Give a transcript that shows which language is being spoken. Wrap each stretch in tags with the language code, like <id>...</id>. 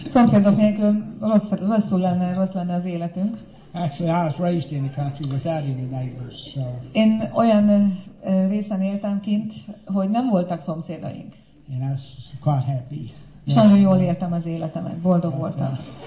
<hu>Szomszédok nélkül rosszul lenne, rossz lenne az életünk.</hu> <en>Actually, I was raised in the country without any neighbors. So.</en> <hu>Én olyan részen éltem kint, hogy nem voltak szomszédaink.</hu> <en>And I was quite happy.</en> <hu>És nagyon jól éltem az életemet, boldog voltam.</hu>